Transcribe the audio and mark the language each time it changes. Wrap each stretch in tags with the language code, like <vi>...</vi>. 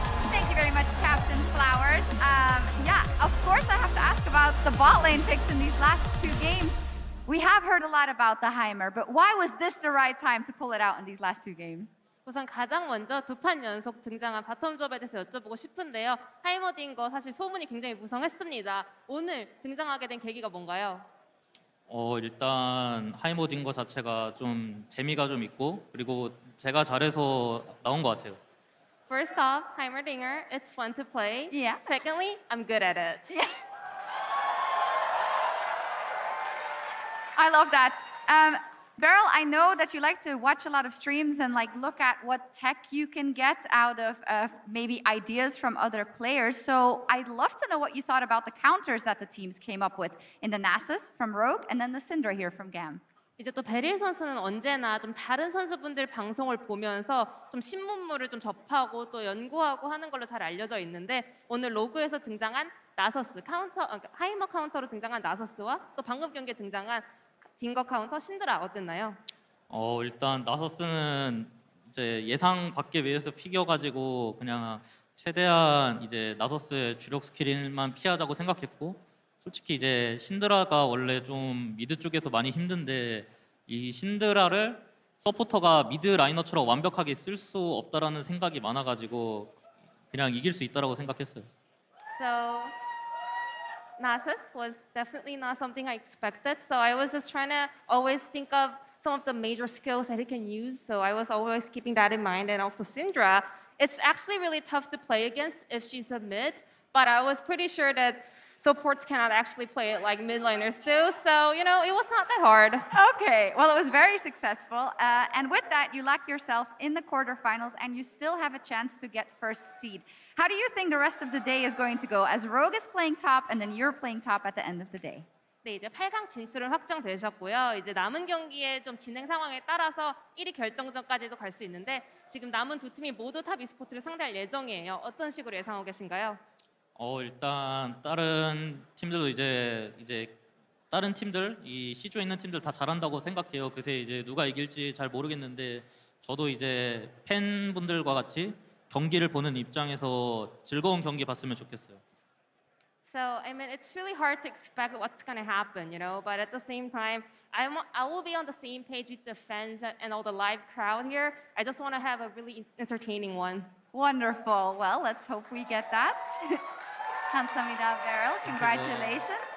<en>Thank you very much, Captain Flowers. Yeah, of course I have to ask about the bot lane picks in these last two games. We have heard a lot about the Heimer, but why was this the right time to pull it out in these last two games?</en> <ko>우선 가장 먼저 두 판 연속 등장한 바텀 조합에 대해서 여쭤보고 싶은데요. 하이머딩거 사실 소문이 굉장히 무성했습니다. 오늘 등장하게 된 계기가 뭔가요? 일단 하이머딩거 자체가 좀 재미가 좀 있고 그리고 제가 잘해서 나온 것 같아요.</ko> <en>First off, Heimerdinger, it's fun to play. Yeah. Secondly, I'm good at it. Yeah. I love that. Beryl, I know that you like to watch a lot of streams and like look at what tech you can get out of maybe ideas from other players. So I'd love to know what you thought about the counters that the teams came up with in the Nasus from Rogue and then the Syndra here from GAM.</en> <ko>이제 또 베릴 선수는 언제나 좀 다른 선수분들 방송을 보면서 좀 신문물을 좀 접하고 또 연구하고 하는 걸로 잘 알려져 있는데 오늘 로그에서 등장한 나서스 카운터, 하이머 카운터로 등장한 나서스와 또 방금 경기에 등장한 딩거 카운터 신드라 어땠나요? 일단 나서스는 이제 예상 밖에 외에서 피겨가지고 그냥 최대한 이제 나서스의 주력 스킬만 피하자고 생각했고 솔직히 이제 신드라가 원래 좀 미드 쪽에서 많이 힘든데 이 신드라를 서포터가 미드 라이너처럼 완벽하게 쓸 수 없다라는 생각이 많아가지고 그냥 이길 수 있다라고 생각했어요.</ko> <en>So, Nasus was definitely not something I expected. So I was just trying to always think of some of the major skills that he can use. So I was always keeping that in mind. And also Syndra, it's actually really tough to play against if she's a mid. But I was pretty sure that supports cannot actually play it like midliners do. So, you know, it was not that hard. Okay, well, it was very successful. And with that, you lock yourself in the quarterfinals and you still have a chance to get first seed. How do you think the rest of the day is going to go as Rogue is playing top and then you're playing top at the end of the day?</en> <ko>네, 이제 8강 진출은 확정되셨고요. 이제 남은 경기의 좀 진행 상황에 따라서 1위 결정전까지도 갈 수 있는데 지금 남은 두 팀이 모두 탑 e스포츠를 상대할 예정이에요. 어떤 식으로 예상하고 계신가요? 일단 다른 팀들도 이제 다른 팀들 이 C조에 있는 팀들 다 잘한다고 생각해요. 그새 이제 누가 이길지 잘 모르겠는데 저도 이제 팬분들과 같이 경기를 보는 입장에서 즐거운 경기 봤으면 좋겠어요.</ko> <en>So I mean it's really hard to expect what's going to happen, you know, but at the same time I will be on the same page with the fans and all the live crowd here. I just want to have a really entertaining one. Wonderful. Well, let's hope we get that.</en> <ko>감사합니다,</ko> <en>Beryl. Congratulations. Yeah.</en>